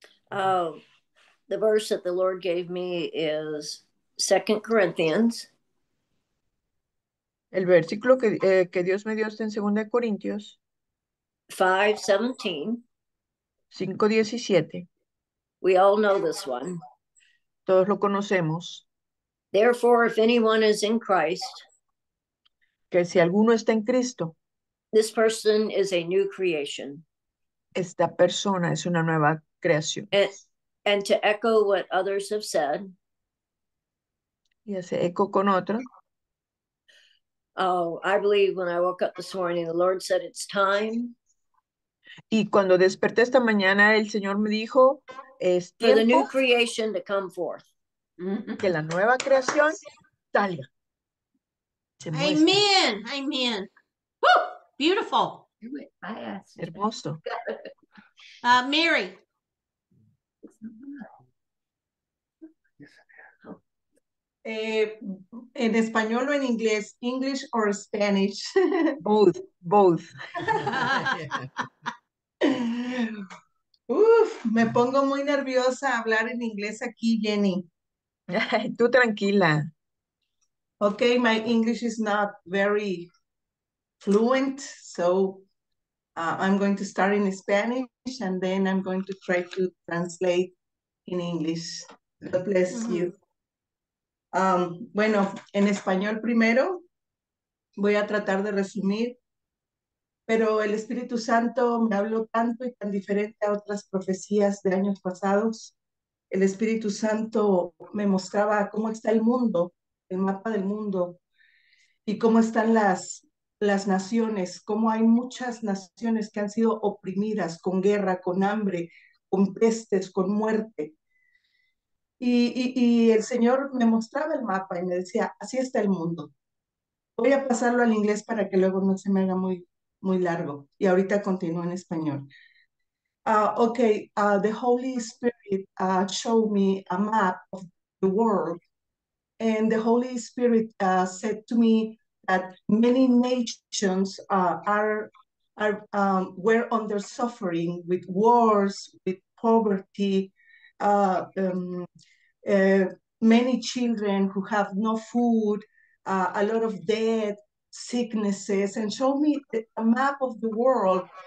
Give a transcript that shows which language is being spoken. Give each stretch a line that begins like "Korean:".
English: The verse that the Lord gave me is 2 Corinthians.
Spanish: El versículo que Dios me dio está en 2 Corintios.
English: 5:17.
Spanish: 5:17.
English: We all know this one.
Spanish: Todos lo conocemos.
English: Therefore, if anyone is in Christ.
Spanish: Que si alguno está en Cristo.
English: This person is a new creation.
Spanish: Esta persona es una nueva creación.
English: And to echo what others have said.
Spanish: Y hace eco con otro.
English: Oh, I believe when I woke up this morning, the Lord said it's time.
Spanish: Y cuando desperté esta mañana, el Señor me dijo, es tiempo.
English: For the new creation to come forth.
Spanish: Que la nueva creación salga.
English: Amen. Amen. Woo! Beautiful.
Spanish: Hermoso.
English: Mary.
Spanish: En español o en inglés,
English: English or Spanish? Both, both.
Spanish: Uf, me pongo muy nerviosa a hablar en inglés aquí, Jenny. Tú tranquila.
English: Okay, my English is not very fluent, so I'm going to start in Spanish and then I'm going to try to translate in English. God bless you.
Spanish: Bueno, en español primero, voy a tratar de resumir, pero el Espíritu Santo me habló tanto y tan diferente a otras profecías de años pasados. El Espíritu Santo me mostraba cómo está el mundo, el mapa del mundo, y cómo están las naciones, cómo hay muchas naciones que han sido oprimidas con guerra, con hambre, con pestes, con muerte. Y el Señor me mostraba el mapa y me decía, así está el mundo. Voy a pasarlo al inglés para que luego no se me haga muy, muy largo. Y ahorita continúo en español.
English: The Holy Spirit showed me a map of the world. And the Holy Spirit said to me that many nations were under suffering with wars, with poverty, many children who have no food, a lot of dead, sicknesses, and show me a map of the world.